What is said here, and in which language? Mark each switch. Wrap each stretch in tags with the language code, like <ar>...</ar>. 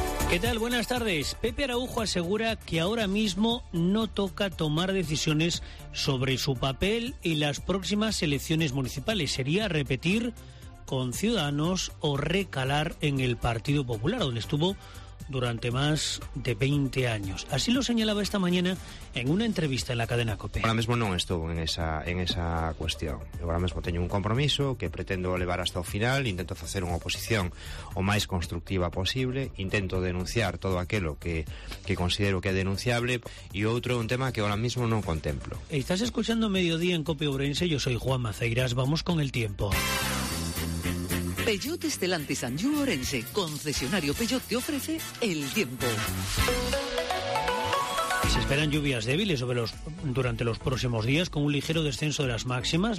<es>¿Qué tal? Buenas tardes. Pepe Araújo asegura que ahora mismo no toca tomar decisiones sobre su papel en las próximas elecciones municipales. Sería repetir con Ciudadanos o recalar en el Partido Popular, donde estuvo durante más de 20 años. Así lo señalaba esta mañana en una entrevista en la cadena COPE.</es> <gl>Ahora mismo non estou en esa cuestión. Ahora mismo teño un compromiso que pretendo levar hasta o final, intento facer unha oposición o máis constructiva posible, intento denunciar todo aquilo que considero que é denunciable, e outro é un tema que ahora mismo non contemplo.</gl> <es>Estás escuchando Mediodía en COPE Ourense, yo soy Juan Maceiras, vamos con el tiempo. Peugeot Estelantis and You Orense, concesionario Peugeot, te ofrece el tiempo. Se esperan lluvias débiles durante los próximos días, con un ligero descenso de las máximas.</es>